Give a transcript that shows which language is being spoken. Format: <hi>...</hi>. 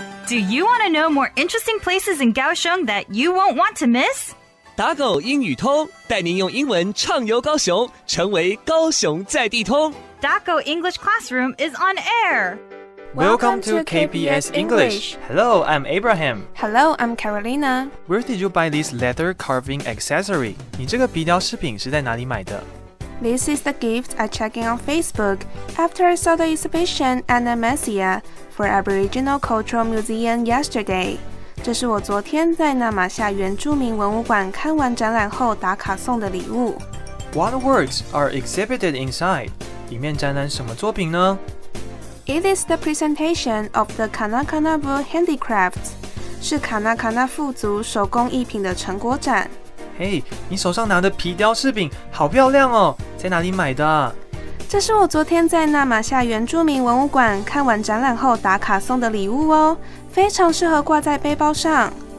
<en>Do you want to know more interesting places in Kaohsiung that you won't want to miss?</en> <zh>打狗英语通，带您用英文畅游高雄，成为高雄在地通。</zh> <en>Daco English Classroom is on air. Welcome to KBS English. Hello, I'm Abraham. Hello, I'm Carolina. Where did you buy this leather carving accessory?</en> <zh>你这个鼻雕饰品是在哪里买的？</zh> <en>This is the gift I checked in on Facebook after I saw the exhibition at Namasia for Aboriginal Cultural Museum yesterday.</en> <zh>这是我昨天在纳玛夏原住民文物馆看完展览后打卡送的礼物。</zh> <en>What works are exhibited inside?</en> <zh>里面展览什么作品呢？</zh> <en>It is the presentation of the Kanakanavu handicrafts.</en> <zh>是卡纳卡纳富族手工艺品的成果展。嘿、hey, ，你手上拿的皮雕饰品好漂亮哦，在哪里买的？这是我昨天在纳玛夏原住民文物馆看完展览后打卡送的礼物哦，非常适合挂在背包上。</zh>